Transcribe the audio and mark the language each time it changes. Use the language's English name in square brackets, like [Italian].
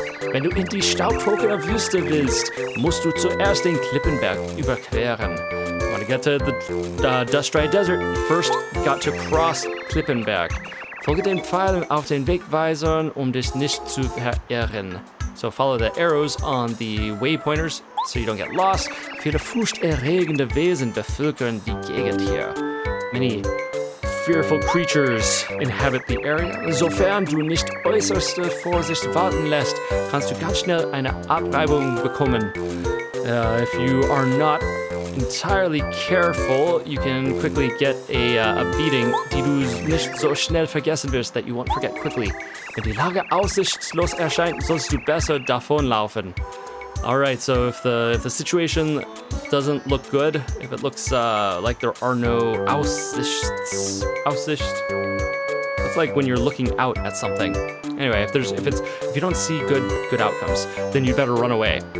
[German] Wenn du in die staubtrockene Wüste willst, musst du zuerst den Klippenberg überqueren. [English] Wanna get to the dust-dry desert, first got to cross Klippenberg. [German] Folge den Pfeilen auf den Wegweisern, um dich nicht zu verirren. [English] So follow the arrows on the waypointers, so you don't get lost. [German] Viele furchterregende Wesen bevölkern die Gegend hier. [English] Many fearful creatures inhabit the area. [German] Sofern du nicht äußerste Vorsicht walten lässt, kannst du ganz schnell eine Abreibung bekommen. [English] If you are not entirely careful, you can quickly get a beating, [German] die du nicht so schnell vergessen wirst, [English] that you won't forget quickly. Wenn die Lage aussichtslos erscheint, sollst du besser davonlaufen. Alright, so if the situation doesn't look good, if it looks like there are no aussicht, it's like when you're looking out at something. Anyway, if you don't see good outcomes, then you'd better run away.